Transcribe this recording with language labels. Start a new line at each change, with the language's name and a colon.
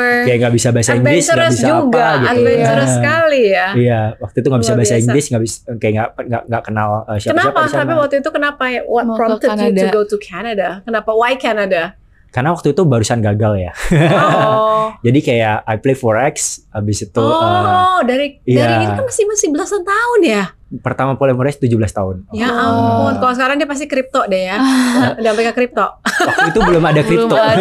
Indonesian: kayak gak bisa bahasa Inggris, gak bisa juga, apa gitu. Adventurous sekali ya. Iya, waktu itu gak bisa bahasa Inggris, gak kenal siapa-siapa. Kenapa? Tapi waktu itu kenapa?
English: What prompted you to go to Canada?
Indonesian: Kenapa?
English: Why Canada?
Indonesian: Karena waktu itu barusan gagal ya. Jadi kayak
English: I play forex
Indonesian: habis itu dari itu masih belasan tahun ya. Pertama
English: play forex
Indonesian: 17 tahun. Ya ampun, kalau sekarang dia pasti kripto deh ya. Udah sampai ke kripto. Waktu itu belum ada kripto.